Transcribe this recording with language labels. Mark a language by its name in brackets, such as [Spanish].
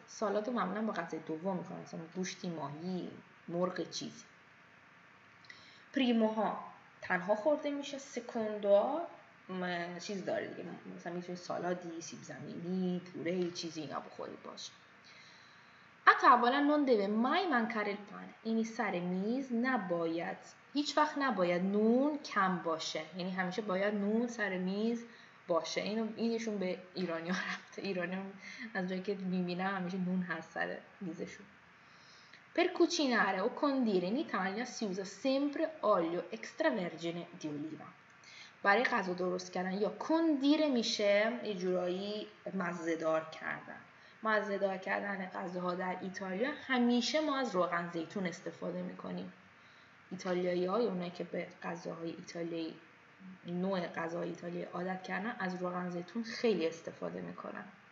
[Persian] سالاد رو معمولا با غذای دوم میکنن، مثلا گوشتی، ماهی، مرغ، چیزی. پریموها تنها خورده میشه، سکوندوها چیز داره دیگه، مثلا میتونی سالادی، سیب زمینی، پوره، چیزی اینا بخوری باشه. [Italian] A tavola non deve mai mancare il pane. [Persian] این سر میز نباید. هیچ وقت نباید نون کم باشه. یعنی همیشه باید نون سر میز باشه. اینو اینشون به ایرانی ها رفته. ایرانی ها از جایی که میبینم همیشه نون هست سر میزشون. [Italian] Per cucinare o condire in Italia si usa sempre olio extravergine di oliva. [Persian] برای غذا درست کردن یا condire میشه یه جورایی مزه‌دار کردن. مزه‌دار کردن غذاها در ایتالیا همیشه ما از روغن زیتون استفاده میکنیم. ایتالیایی‌ها یا اونایی که به غذاهای ایتالیایی نوع غذاهای ایتالیایی عادت کردن از روغن زیتون خیلی استفاده میکنن.